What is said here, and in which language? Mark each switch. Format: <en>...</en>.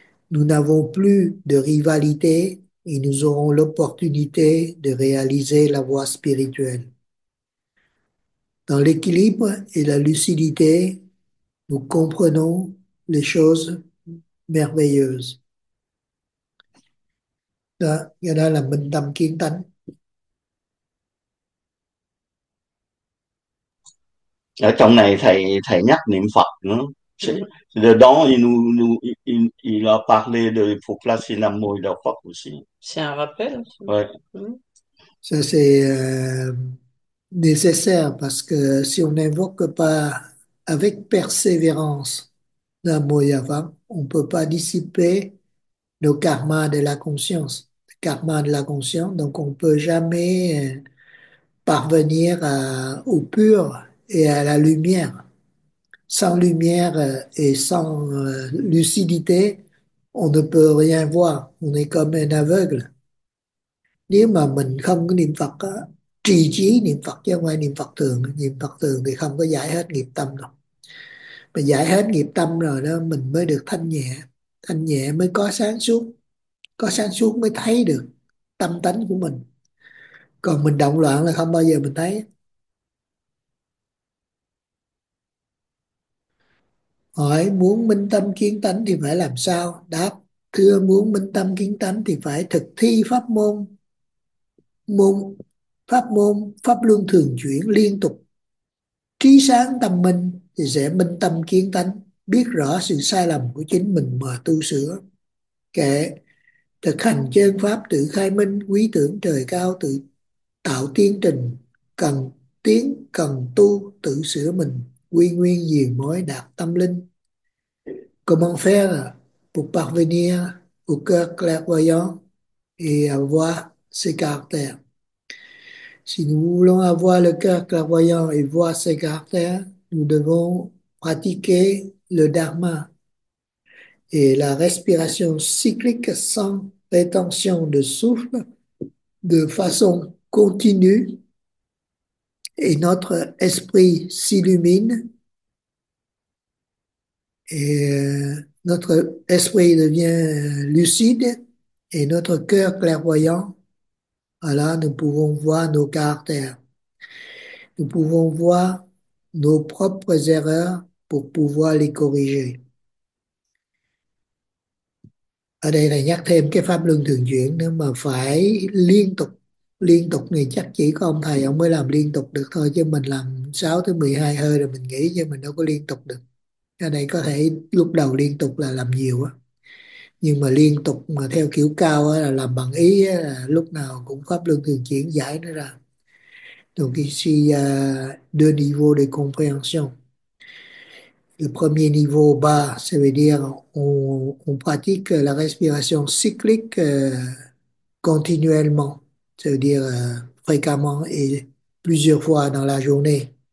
<fr>Nous n'avons plus de rivalité et nous aurons l'opportunité de réaliser la voie spirituelle. Dans l'équilibre et la lucidité, nous comprenons les choses merveilleuses.</fr> <vi>Đó, cái đó là minh tâm kiến tánh. Ở trong này thầy thầy nhắc niệm Phật nữa,</vi> <fr>Dedans, il a parlé de pour placer l'amour de Pâques aussi. C'est un rappel. Ouais. Ça, c'est nécessaire parce que si on n'invoque pas avec persévérance l'amour Yavam, on ne peut pas dissiper le karma de la conscience. Le karma de la conscience, donc on ne peut jamais parvenir au pur et à la lumière. Sans lumière et sans lucidité, on ne peut rien voir, on est comme un aveugle.</fr> <vi>Nếu mà mình không có niệm Phật á, trì chí niệm Phật chứ không phải niệm Phật thường thì không có giải hết nghiệp tâm đâu. Mà giải hết nghiệp tâm rồi đó, mình mới được thanh nhẹ mới có sáng suốt mới thấy được tâm tánh của mình. Còn mình động loạn là không bao giờ mình thấy. Hỏi muốn minh tâm kiến tánh thì phải làm sao? Đáp, thưa muốn minh tâm kiến tánh thì phải thực thi pháp luân thường chuyển liên tục. Trí sáng tâm minh thì sẽ minh tâm kiến tánh, biết rõ sự sai lầm của chính mình mà tu sửa. Kệ, thực hành chân pháp tự khai minh, quý tưởng trời cao tự tạo tiến trình, cần tiến cần tu tự sửa mình, quy nguyên diền mối đạt tâm linh.</vi> <fr>Comment faire pour parvenir au cœur clairvoyant et avoir ses caractères? Si nous voulons avoir le cœur clairvoyant et voir ses caractères, nous devons pratiquer le dharma et la respiration cyclique sans rétention de souffle de façon continue. Et notre esprit s'illumine et notre esprit devient lucide et notre cœur clairvoyant. Alors, nous pouvons voir nos caractères. Nous pouvons voir nos propres erreurs pour pouvoir les corriger.</fr> <vi>Ở đây là nhắc thêm cái pháp luân thường chuyển nữa, mà phải liên tục. Liên tục thì chắc chỉ có ông thầy ông mới làm liên tục được thôi, chứ mình làm 6 tới 12 hơi rồi mình nghỉ, chứ mình đâu có liên tục được. Cái này có thể lúc đầu liên tục là làm nhiều á, nhưng mà liên tục mà theo kiểu cao á, là làm bằng ý á, là lúc nào cũng pháp luân thường chuyển giải nó ra.</vi> <fr>Donc ici deux niveaux de compréhension. Le premier niveau bas, ça veut dire on pratique la respiration cyclique continuellement, ça veut dire fréquemment et plusieurs fois dans la journée.</fr>